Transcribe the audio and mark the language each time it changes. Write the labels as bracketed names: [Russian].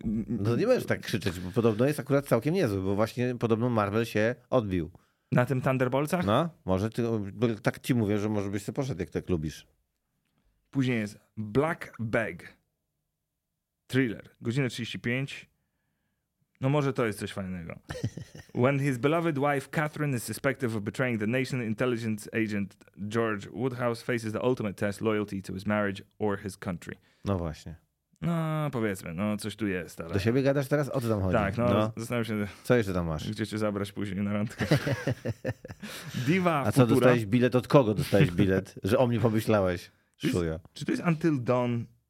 [Polish] No nie możesz tak krzyczeć, bo podobno jest akurat całkiem niezły, bo właśnie podobno Marvel się odbił. Na tym Thunderboltsach? No, może. Tak ci mówię, że może byś sobie poszedł, jak tak lubisz. Później jest Black Bag. Thriller. Godzina 35. No może to jest coś fajnego. [English] When his beloved wife Catherine is suspected of betraying the nation intelligence agent George Woodhouse faces the ultimate test loyalty to his marriage or his country. [Polish] No właśnie. No powiedzmy, no coś tu jest. Ale... Do siebie gadasz teraz? O co tam chodzi? Tak, no. Zastanawiam się. Co jeszcze tam masz? Gdzie cię zabrać później na randkę? Diva A co, dostałeś bilet? Od kogo dostałeś bilet? Że o mnie pomyślałeś? Szuja. Czy to jest Until Dawn?